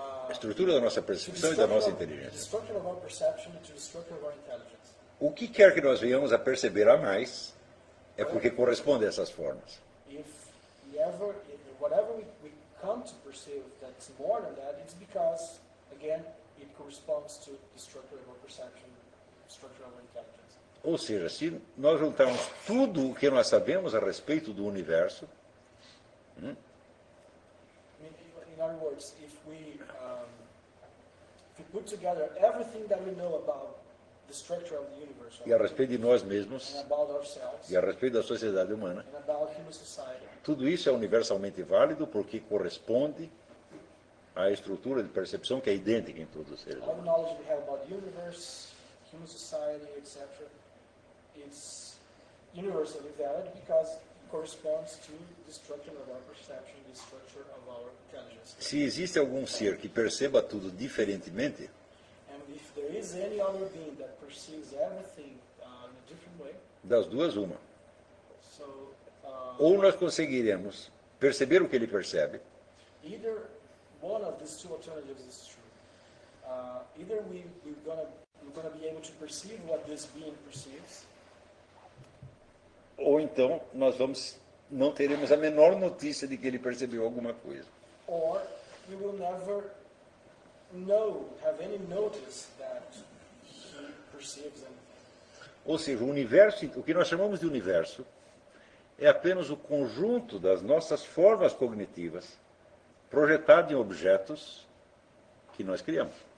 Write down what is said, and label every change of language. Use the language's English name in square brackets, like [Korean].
[Portuguese] estrutura da nossa percepção e da nossa inteligência. [English] The structure of our perception and the structure of our intelligence. [Portuguese] O que quer que nós venhamos a perceber a mais é porque corresponde a essas formas. [English] If we ever, whatever we come to perceive that's more than that, it's because, again, it corresponds to the structure of our perception, structure of our intelligence. [Portuguese] Ou seja, se nós juntarmos tudo o que nós sabemos a respeito do universo, [English] in other words, if we put together everything that we know about the structure of the universe, [Portuguese] e a respeito de nós mesmos, [English] and about ourselves, [Portuguese] e a respeito da sociedade humana, [English] and about human society, [Portuguese] tudo isso é universalmente válido porque corresponde à estrutura de percepção que é idêntica em todos os seres humanos. [English] All the knowledge we have about the universe, human society, etc., is universally valid because corresponds to the structure of our perception, the structure of our intelligence. [Portuguese] Se existe algum ser que perceba tudo diferentemente, [English] and if there is any other being that perceives everything in a different way, [Portuguese] das duas uma. [English] So, [Portuguese] ou nós conseguiremos perceber o que ele percebe. [English] Either one of these two alternatives is true. Either we're gonna be able to perceive what this being perceives. [Portuguese] Ou então nós vamos não teremos a menor notícia de que ele percebeu alguma coisa. [English] Or we will never know, have any notice that he perceives anything. [Portuguese] Ou seja, o universo, o que nós chamamos de universo, é apenas o conjunto das nossas formas cognitivas projetado em objetos que nós criamos.